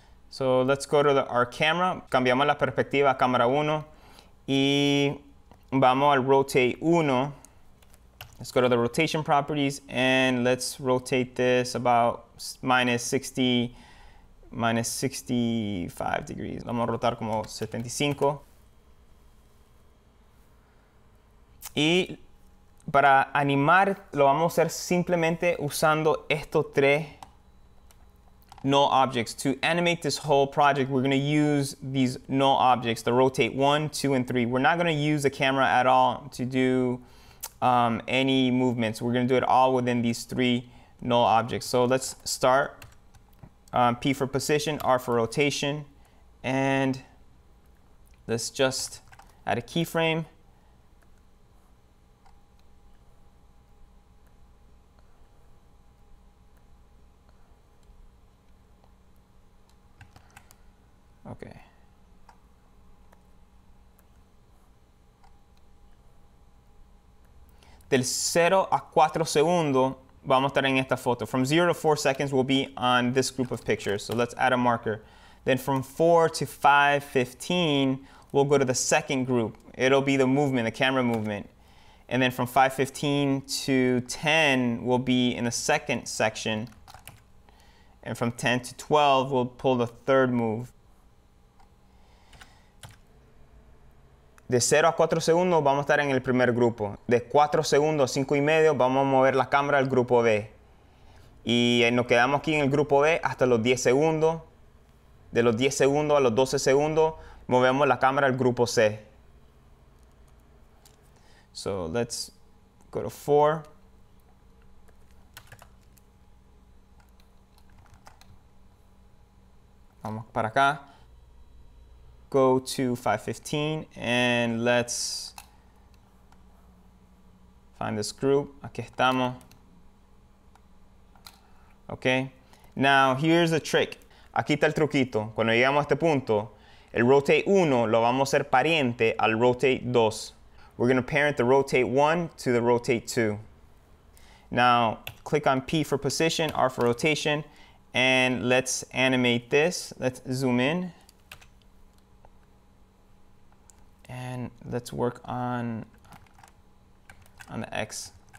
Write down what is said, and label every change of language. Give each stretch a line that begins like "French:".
English: So let's go to our camera.
Spanish: Cambiamos la perspectiva a cámara 1 y vamos al rotate 1.
English: Let's go to the rotation properties and let's rotate this about -60, -65 degrees.
Spanish: Vamos a rotar como 75. Y para animar lo vamos a hacer simplemente usando estos tres null objects.
English: To animate this whole project, we're going to use these null objects, the rotate 1, 2, and 3. We're not going to use the camera at all to do any movements. We're going to do it all within these three null objects. So let's start. P for position, R for rotation, and let's just add a keyframe. Okay.
Spanish: del 0 a 4 segundos vamos a estar en esta foto.
English: From 0 to 4 seconds we'll be on this group of pictures. So let's add a marker. Then from 4 to 5:15 we'll go to the second group. It'll be the movement, the camera movement. And then from 5:15 to 10 we'll be in the second section. And from 10 to 12 we'll pull the third move.
Spanish: De 0 a 4 segundos vamos a estar en el primer grupo. De 4 segundos a 5 y medio vamos a mover la cámara al grupo B. Y nos quedamos aquí en el grupo B hasta los 10 segundos. De los 10 segundos a los 12 segundos movemos la cámara al grupo C.
English: So let's go to 4.
Spanish: Vamos para acá.
English: Go to 5:15 and let's find this group.
Spanish: Aquí estamos.
English: Okay. Now here's the trick.
Spanish: Aquí está el truquito. Cuando llegamos a este punto, el rotate 1 lo vamos a hacer pariente al rotate 2.
English: We're going to parent the rotate 1 to the rotate 2. Now click on P for position, R for rotation, and let's animate this. Let's zoom in. And let's work on the X.